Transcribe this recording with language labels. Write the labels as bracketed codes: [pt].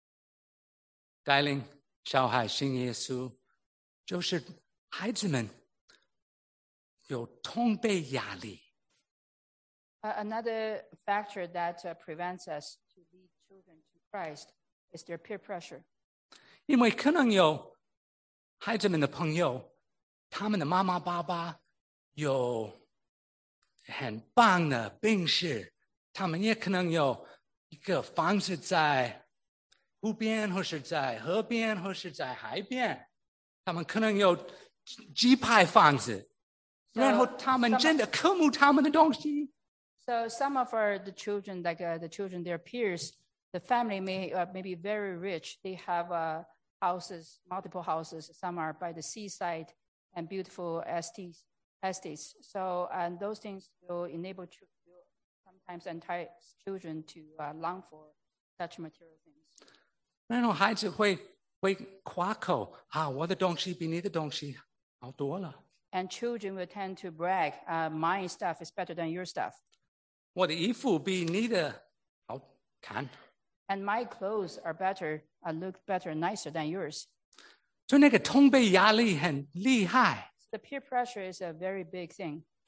[zh] 另外的方面，拦住我们带领小孩信耶稣，就是孩子们有通背压力。 [en] Another factor that prevents us to lead children to Christ is their peer pressure. [zh] 因为可能有孩子们的朋友，他们的妈妈爸爸有很棒的病室，他们也可能有一个房子在湖边，或是在河边，或是在海边，他们可能有几排房子， so, 然后他们真的渴慕他们的东西。 [en] So some of our, the children, like the children, their peers, the family may be very rich. They have houses, multiple houses. Some are by the seaside and beautiful estates. So and those things will enable to sometimes entice children to long for such material things. [zh] 然后孩子会夸口啊，我的东西比你的东西好多了。 [en] And children will tend to brag, my stuff is better than your stuff. [zh] 我的衣服比你的好看。 [en] And my clothes are better, look better, nicer than yours. [zh] 就那个通背压力很厉害。 [en] The peer pressure is a very big thing.